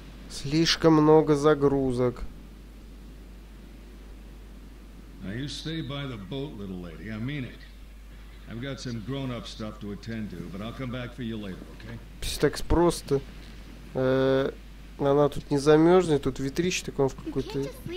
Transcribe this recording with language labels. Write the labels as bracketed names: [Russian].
[Russian] Слишком много загрузок. [English] Now you stay by the boat, little lady. I mean it. I've got some grown-up stuff to attend to, but I'll come back for you later, okay? [Russian] Все так просто. Она тут не замерзнет, тут ветрище такое в какой-то...